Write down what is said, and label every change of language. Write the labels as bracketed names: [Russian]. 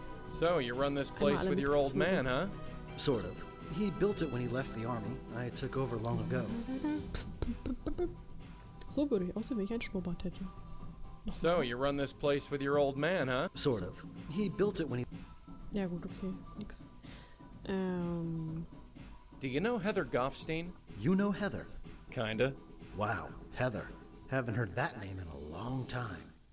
[English] So, you run this place with your old man, huh? Sort of. He built it when he left the army. I took over long ago. [German] So würde ich aussehen, wenn ich ein Schnurrbart hätte. [English] So, you run this place with your old man, huh? Sort of. He built it when he... [German] Ja gut, okay. Nix. [English] Do you know Heather Goffstein? You know Heather? Kinda. Wow, Heather. Haven't heard that name in a long time.